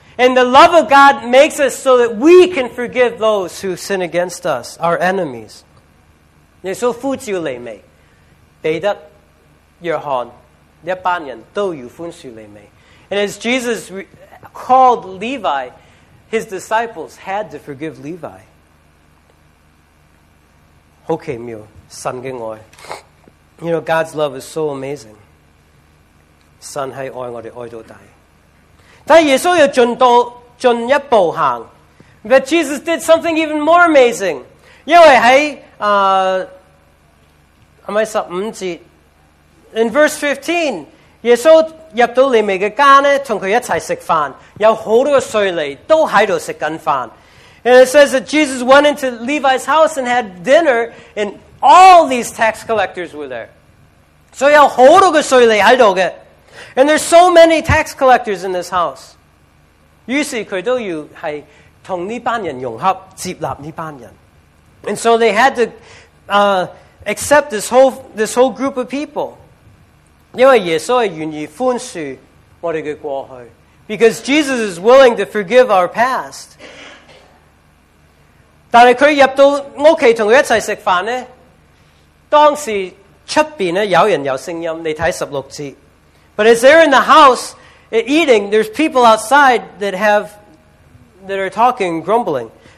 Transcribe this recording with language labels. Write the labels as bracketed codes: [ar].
[en] And the love of God makes us so that we can forgive those who sin against us, our enemies. [zh] 耶稣呼召利未,彼得、约翰,一班人都要宽恕利未。 [en] And as Jesus called Levi, his disciples had to forgive Levi. [zh] 好奇妙,神的爱。 [en] You know, God's love is so amazing. [zh] 神是爱我们爱到大。但耶稣要进一步行, [en] but Jesus did something even more amazing. [zh] 因为在, [en] in verse 15, [zh] 耶稣入到利未的家,跟他一起吃饭, 有很多的税吏都在吃饭。 [en] And it says that Jesus went into Levi's house and had dinner, and all these tax collectors were there. [zh] 所以有很多的税吏在这里。 [en] And there's so many tax collectors in this house. [zh] 于是他都要跟这班人融合,接纳这班人。 [en] And so they had to accept this whole group of people. [zh] 因为耶稣是愿意宽恕我们的过去, [en] because Jesus is willing to forgive our past. [zh] 但是他入到家跟他一起吃饭呢, 当时外面有人有声音, 你看16节。 [en] But as they're in the house, eating, there's people outside that are talking, grumbling.